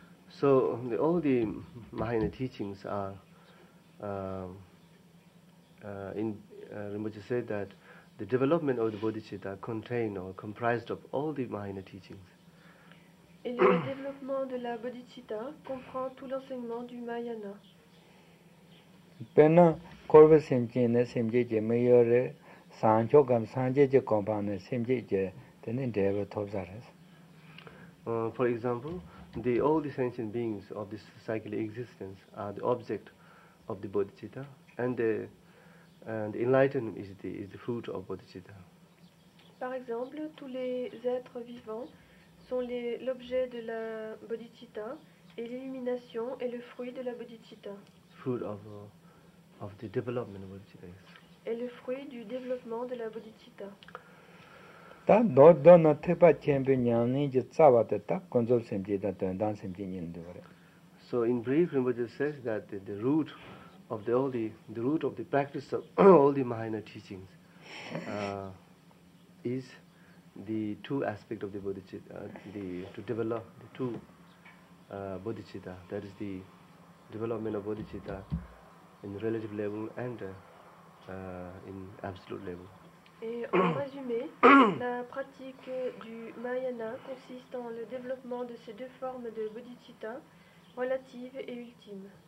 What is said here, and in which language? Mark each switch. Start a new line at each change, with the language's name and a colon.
English: So all the Mahayana teachings are Rinpoche said that the development of the bodhicitta contained or comprised of all the Mahayana teachings.
French: Et le développement de la bodhicitta comprend tout l'enseignement du Mahayana. Pena korva semje ne semje je meyore sancho gam sanje je kompa ne semje je tenen deva thobzares.
English: For example, all the sentient beings of this cyclic existence are the object of the bodhicitta, and enlightenment is the fruit of bodhicitta.
French: Par exemple, tous les êtres vivants sont l'objet de la bodhicitta, et l'illumination est le fruit de la bodhicitta.
English: Fruit of the development of bodhicitta.
French: Et le fruit du développement de la bodhicitta. Ta do do na te pa chen bi nyang ni ji tsa wa ta konzo sem ji da dan sem ji ni ndu re.
English: So in brief, Rinpoche says that the root of the all the root of the practice of all the Mahayana teachings is the two aspects of the bodhicitta, to develop the two bodhicitta, that is the development of bodhicitta in relative level and in absolute level.
French: Et en résumé, la pratique du Mahayana consiste en le développement de ces deux formes de bodhicitta, relative et ultime.